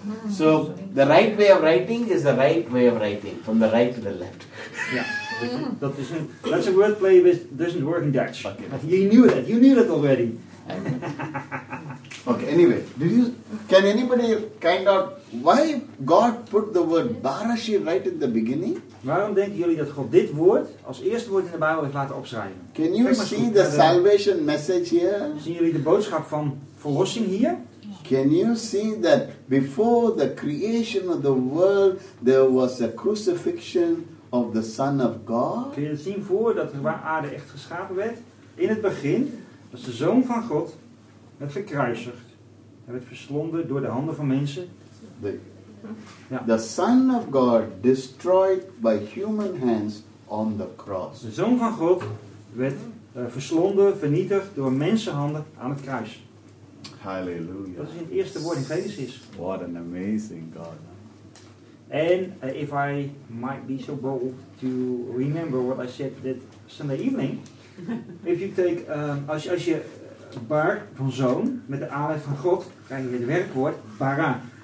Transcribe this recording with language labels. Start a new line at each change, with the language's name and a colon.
English: So the right way of writing is the right way of writing from the right to the left. Yeah, that's a wordplay which doesn't work in Dutch. Okay. You knew that. You knew that already. Okay. Anyway, can anybody kind out why God put the word Barashit right in the beginning?
Dutch: Waarom denken jullie dat God dit woord als eerste woord in de Bijbel heeft laten opschrijven?
English: Can you see the salvation message here?
Dutch: Zien jullie de boodschap van verlossing hier?
English: Can you see that before the creation of the world there was a crucifixion of the Son of God?
Dutch: Kun je zien voordat de aarde echt geschapen werd? In het begin was de Zoon van God werd gekruisigd. Hij werd verslonden door de handen van mensen.
English: The Son of God destroyed by human hands on the cross.
Dutch: De Zoon van God werd verslonden, vernietigd door mensenhanden aan het kruis. Hallelujah. Dat is in het eerste woord in Genesis.
English: What an amazing God. And if I might be so bold to remember what I said that Sunday evening, if you take
Dutch: als je bar van zoon met de aanleg van God, krijg je het werkwoord bara.